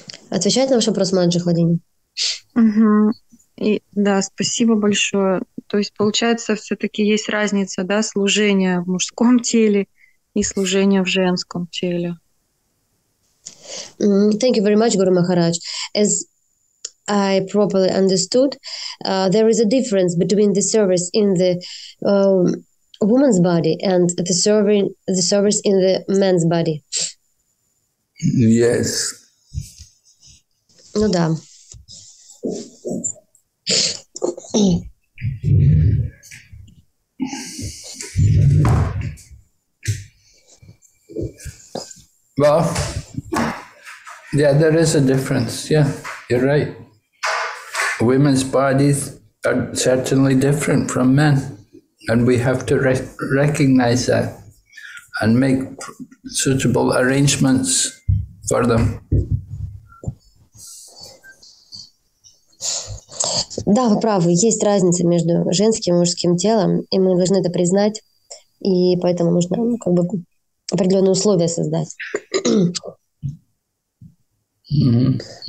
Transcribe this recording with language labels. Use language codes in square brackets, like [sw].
[ru] Отвечает на ваш вопрос Маджи Хладини? Угу. И, да, спасибо большое. То есть, получается, все-таки есть разница, да, служение в мужском теле и служение в женском теле. [en] Thank you very much, Guru Maharaj. As I properly understood, there is a difference between the service in the woman's body and the service in the man's body. Yes. [ru] Ну да. [en] Well, yeah, there is a difference. Yeah, you're right. Women's bodies are certainly different from men, and we have to recognize that and make suitable arrangements for them. [ru] Да, вы правы, есть разница между женским и мужским телом, и мы должны это признать, и поэтому нужно как бы определенные условия создать. Mm-hmm.